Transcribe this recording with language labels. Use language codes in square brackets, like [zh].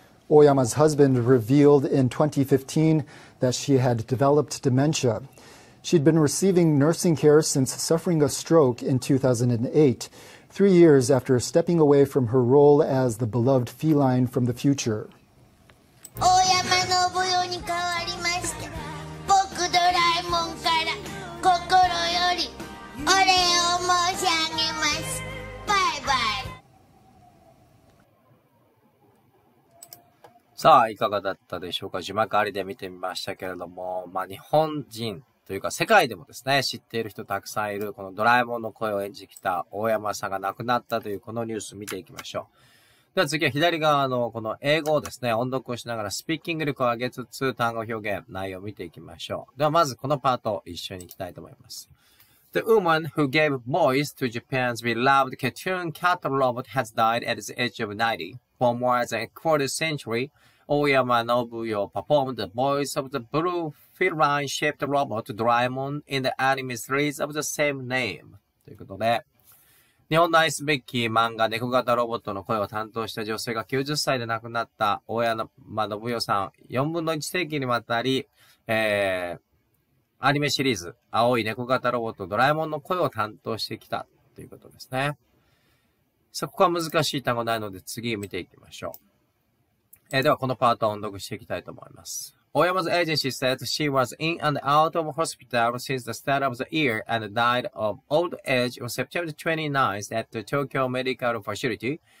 [en] Oyama's husband revealed in 2015 that she had developed dementia. She'd been receiving nursing care since suffering a stroke in 2008, 3 years after stepping away from her role as the beloved feline from the future. [ja] Oyama Nobuyo に変わりました。僕ドラえもんから心よりお礼を申し上げます。バイバイ。さあ、いかがだったでしょうか。字幕ありで見てみましたけれども、まあ日本人というか世界でもですね、知っている人たくさんいる、このドラえもんの声を演じてきた大山さんが亡くなったというこのニュースを見ていきましょう。では次は左側のこの英語をですね、音読をしながらスピーキング力を上げつつ単語表現、内容を見ていきましょう。ではまずこのパートを一緒にいきたいと思います。 [en] The woman who gave voice to Japan's beloved cartoon cat robot has died at the age of 90. For more than a quarter century, Oyama Nobuyo performed the voice of the blue feline-shaped robot Doraemon in the anime series of the same name. [ja] ということで、日本の愛すべき漫画猫型ロボットの声を担当した女性が90歳で亡くなった Oyama Nobuyo さん、4分の1世紀にわたり、アニメシリーズ青い猫型ロボットDoraemonの声を担当してきたということですね。そこは難しい単語ないので次見ていきましょう。ではこのパートを音読していきたいと思います。 [en] Oyama's agency said she was in and out of hospital since the start of the year and died of old age on September 29th at the Tokyo Medical Facility.